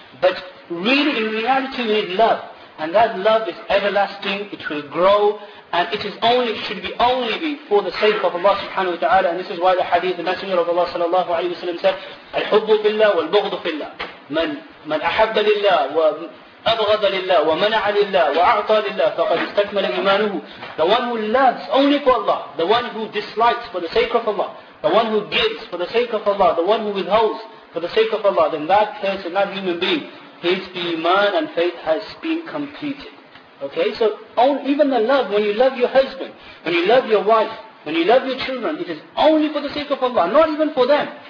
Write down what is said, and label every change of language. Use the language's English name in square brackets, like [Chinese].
[English] But really, in reality, we need love. And that love is everlasting, it will grow. And it should only be for the sake of Allah subhanahu wa ta'ala. And this is why the hadith, the Messenger of Allah sallallahu alayhi wa sallam said, [Arabic] الحب في الله والبغض في الله. من أحب لله أبغض لله ومنع لله وأعطى لله فقد استكمل إيمانه. [English] The one who loves only for Allah, the one who dislikes for the sake of Allah, the one who gives for the sake of Allah, the one who withholds for the sake of Allah, then that person, that human being, his iman and faith has been completed. Okay, so even the love, when you love your husband, when you love your wife, when you love your children, it is only for the sake of Allah, not even for them.